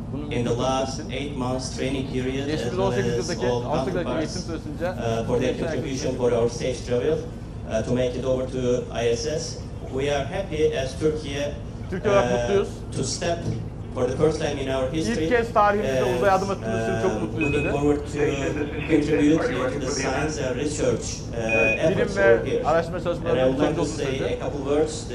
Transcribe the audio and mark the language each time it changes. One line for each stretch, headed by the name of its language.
English: In the last 8 months training period, as well as all counterparts, for their contribution for our safe travel to make it over to ISS, we are happy as Turkey to step for the first time in our history.
Turkish: İlk kez tarihimizde uzay adım attığımız için çok mutluyuz.
English: Looking forward to contribute to the science and research efforts over here. And I would like to say a couple words.